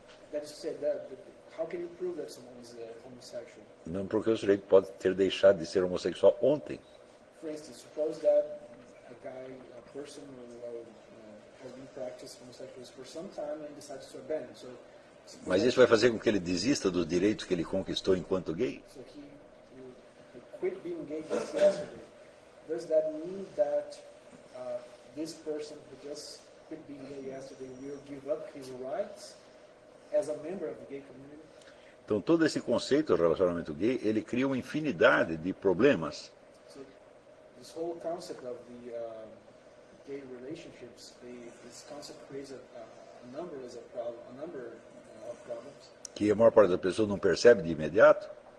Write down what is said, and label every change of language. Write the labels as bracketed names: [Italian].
[English] That is to say that, how can you prove that someone is homosexual? [Portuguese] Não, porque o sujeito pode ter deixado de ser homossexual ontem. [English] For instance, suppose that a guy, a person has been practicing homosexualism for some time and decides to abandon. So, [Portuguese] mas isso vai fazer com que ele desista dos direitos que ele conquistou enquanto gay? [English] So he quit being gay just yesterday. Does that mean that this person who just quit being gay yesterday will give up his rights as a member of the gay community? [Portuguese] Então todo esse conceito do relacionamento gay, ele cria uma infinidade de problemas. [English] So, this whole concept of the gay relationships, this concept creates a number of problems. [Portuguese] Que a maior parte das pessoas não percebe de imediato.